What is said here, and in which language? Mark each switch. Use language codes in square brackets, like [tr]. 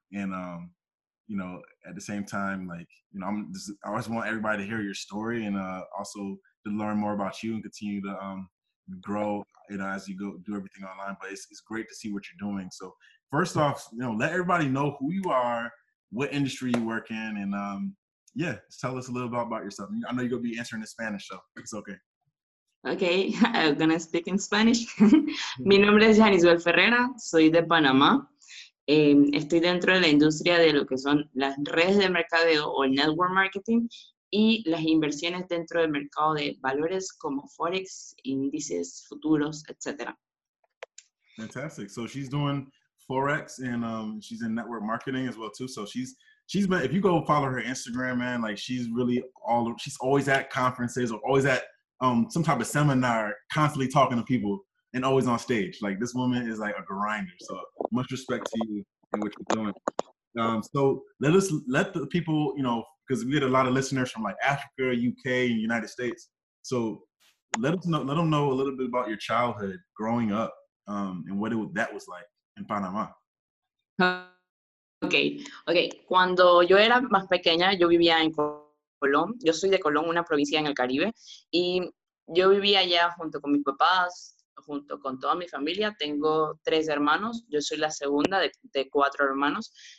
[en] And, you know, at the same time, like, you know, I always want everybody to hear your story and also to learn more about you and continue to grow, you know, as you go do everything online. But it's great to see what you're doing. So, first off, you know, let everybody know who you are, what industry you work in, and yeah, tell us a little about yourself. I know you're going to be answering in Spanish, so it's okay. Okay, I'm going to speak in Spanish. [es] Mi nombre es Jezebel Ferreira, soy de Panamá. Estoy dentro de la industria de lo que son las redes de mercadeo o network marketing y las inversiones dentro del mercado de valores como Forex, índices, futuros, etc. [en] Fantastic. So she's doing Forex and she's in network marketing as well too. So she's been, if you go follow her Instagram, man, like she's really all, she's always at conferences or always at some type of seminar, constantly talking to people and always on stage. Like this woman is like a grinder. So much respect to you and what you're doing. So let the people, you know, because we get a lot of listeners from like Africa, UK, and United States. So let them know a little bit about your childhood growing up and what that was like in Panama. Okay. [es] Cuando yo era más pequeña, yo vivía en Colón. Yo soy de Colón, una provincia en el Caribe. Y yo vivía allá junto con mis papás, junto con toda mi familia. Tengo tres hermanos. Yo soy la segunda de cuatro hermanos.